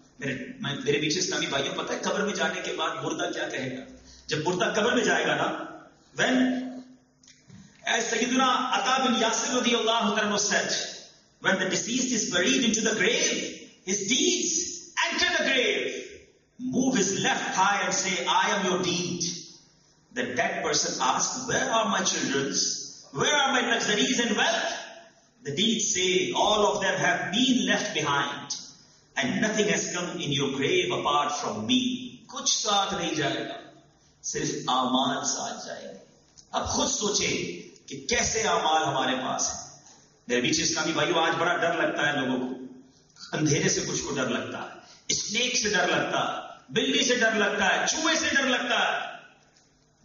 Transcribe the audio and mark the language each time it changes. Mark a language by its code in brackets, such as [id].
[ur] میرے پیچھے اسلامی بھائیوں، پتہ ہے قبر میں جانے کے بعد مردہ کیا کہے گا؟ جب مردہ قبر میں جائے گا نا، [en] When a سیدنا Ata bin Yasir رضی اللہ عنہ said, when the deceased is buried into the grave, his deeds enter the grave, move his left thigh and say, I am your deed. The dead person asks, where are my children? Where are my luxuries and wealth? The deeds say, all of them have been left behind and nothing has come in your grave apart from me. [ur] کچھ ساتھ نہیں جائے گا، صرف اعمال ساتھ جائے گا. اب خود سوچیں کہ کیسے اعمال ہمارے پاس ہیں. میرے پیچھے اسلامی بھائیو، آج بڑا ڈر لگتا ہے لوگوں کو، اندھیرے سے کچھ کو ڈر لگتا ہے، اسنیک سے ڈر لگتا ہے، بلی سے ڈر لگتا ہے، چوہے سے ڈر لگتا ہے،